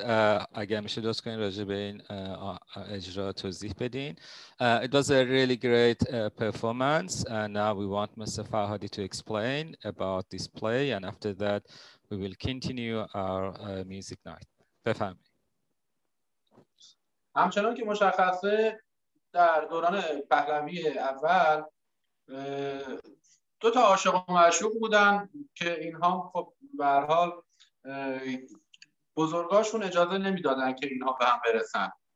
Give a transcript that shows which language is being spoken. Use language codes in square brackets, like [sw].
[fa] اگر میشه لطف کنین راجع به این اجرا توضیح بدین. [en] It was a really great performance. Now we want Mr. Farhadi to explain about this play and after that we will continue our music night. [fa] بفهمید. همچنان که مشخصه در دوران پهلوی اول دو تا عاشق و معشوق بودن که اینها خب به هر حال بزرگاشون اجازه نمیدادن که اینا به هم برسن.